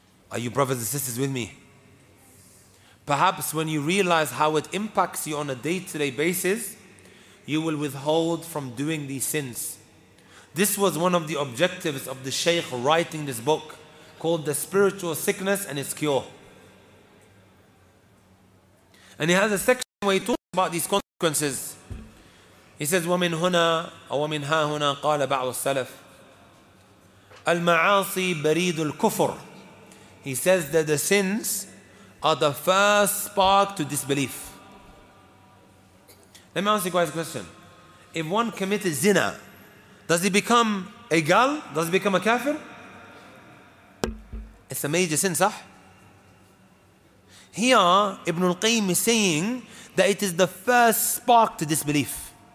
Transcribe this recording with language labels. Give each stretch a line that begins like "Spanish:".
English: Are you brothers and sisters with me? Perhaps when you realize how it impacts you on a day-to-day basis, you will withhold from doing these sins. This was one of the objectives of the Shaykh writing this book called The Spiritual Sickness and Its Cure. And he has a section where he talks about these consequences. He says,
Arabic: وَمِنْ هُنَا وَمِنْ هَا هُنَا قَالَ بَعْضُ السَّلَفِ الْمَعَاصِي بَرِيدُ الْكُفُرِ.
English: He says that the sins are the first spark to disbelief. Let me ask you guys a question. If one committed zina, does he become a gal? Does he become a kafir? It's a major sin, sah? Here, Ibn al-Qayyim is saying that it is the first spark to disbelief.